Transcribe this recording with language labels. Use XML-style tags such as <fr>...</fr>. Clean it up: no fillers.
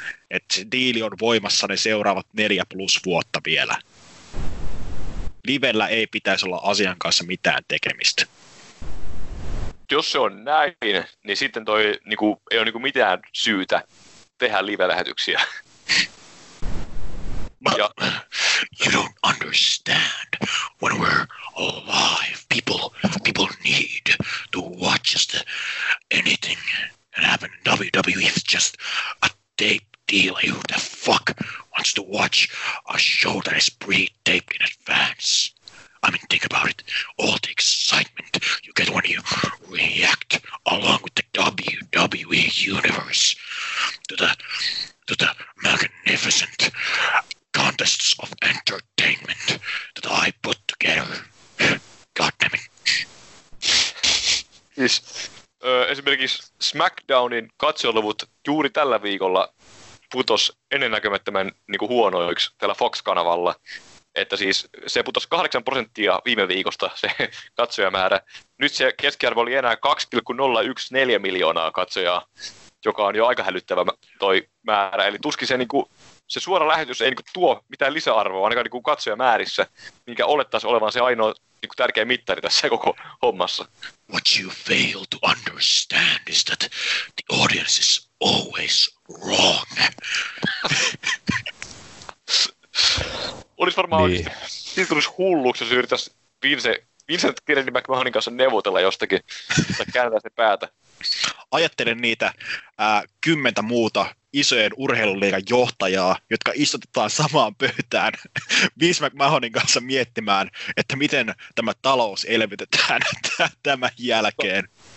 <fi>Että se diili on voimassa ne seuraavat 4+ vuotta vielä. Livellä ei pitäisi olla asian kanssa mitään tekemistä. Jos se on näin, niin sitten toi niinku, ei ole niinku mitään syytä tehdä live-lähetyksiä.</fi> <en>You don't understand. When we're alive, people need to watch just anything that happened. WWE is just a tape deal. Who the fuck wants to watch a show that is pre-taped in advance? I mean, think about it. All the excitement you get when you react along with the WWE universe to the magnificent contests of entertainment that I put together. God damn it.</en> <fi>Siis, esimerkiksi SmackDownin katsojaluvut juuri tällä viikolla putos ennennäkemättömän niinku huonoiksi tällä Fox-kanavalla. Että siis se putosi 8% viime viikosta se katsojamäärä. Nyt se keskiarvo oli enää 2,014 miljoonaa katsojaa, joka on jo aika hälyttävä toi määrä. Eli tuskin se niinku se suora lähetys ei niin tuo mitään lisäarvoa, ainakaan niin katsojamäärissä, minkä olettaisiin olevan se ainoa niin tärkeä mittari tässä koko hommassa.</fi> <en>What you fail to understand is that the audience is always wrong.</en> <fi>Olisi varmaan, niin. Siitä tulisi hulluksi, jos yrittäisi Vincent Kirin McMahonin kanssa neuvotella jostakin, tai kääntää se päätä. Ajattelen niitä 10 muuta isojen urheiluliigan johtajaa, jotka istutetaan samaan pöytään Vince McMahonin kanssa miettimään, että miten tämä talous elvytetään tämän jälkeen.</fi>